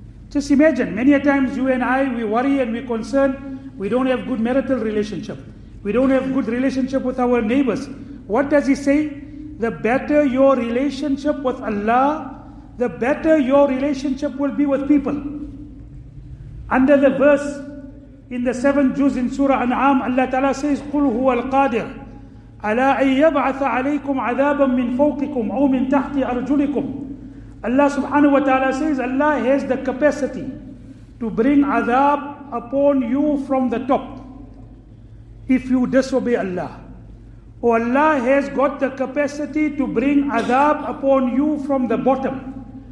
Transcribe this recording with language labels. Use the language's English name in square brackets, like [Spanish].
[English] Just imagine, many a times you and I, we worry and we concern, we don't have good marital relationship, we don't have good relationship with our neighbors. What does he say? The better your relationship with Allah, the better your relationship will be with people. Under the verse in the seventh juz in Surah An'am, Allah Ta'ala says, [Arabic] قُلْ هُوَ الْقَادِرُ عَلَىٰ أَن يَبْعَثَ عَلَيْكُمْ عَذَابًا مِّن فَوْقِكُمْ أَوْ مِّن تَحْتِ أَرْجُلِكُمْ. [English] Allah subhanahu wa ta'ala says, Allah has the capacity to bring azab upon you from the top if you disobey Allah. Or Allah has got the capacity to bring azab upon you from the bottom.